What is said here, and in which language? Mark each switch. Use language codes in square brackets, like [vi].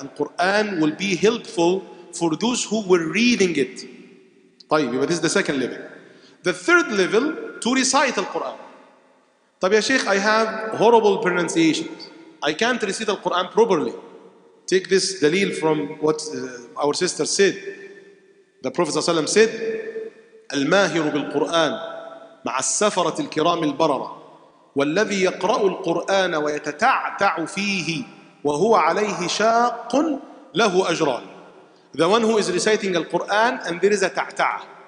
[en] The Quran will be helpful for those who were reading it. طيب, but this is the second level. The third level, to recite the Quran. طيب يا شيخ, I have horrible pronunciation. I can't recite the Quran properly. Take this dalil from what our sister said. The Prophet [ar] صلى الله عليه وسلم [en] said, [ar] الماهر بالقرآن مع السفرة الكرام البررة والذي يقرأ القرآن ويتتعتع فيه وهو عليه شاق له أجران. [en] The one who is reciting the Quran and there is a ta'ta'a.